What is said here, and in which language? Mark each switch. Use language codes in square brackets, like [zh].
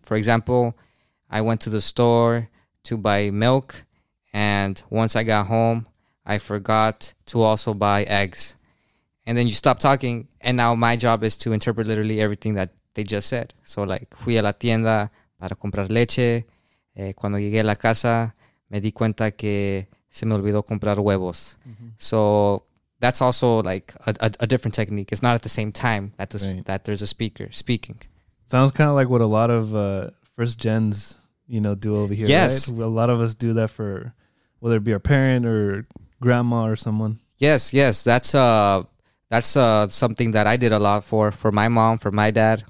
[en] For example, I went to the store to buy milk, and once I got home, I forgot to also buy eggs. And then you stop talking, and now my job is to interpret literally everything that they just said. So like, [es] fui a la tienda para comprar leche. Cuando llegué a la casa, me di cuenta que se me olvidó comprar huevos. [en] Mm-hmm. So that's also like a different technique. It's not at the same time that that there's a speaker speaking. Sounds kind of like what a lot of first gens, you know, do over here. Yes. Right? A lot of us do that for whether it be our parent or grandma or someone. Yes. Yes. That's something that I did a lot for my mom, for my dad.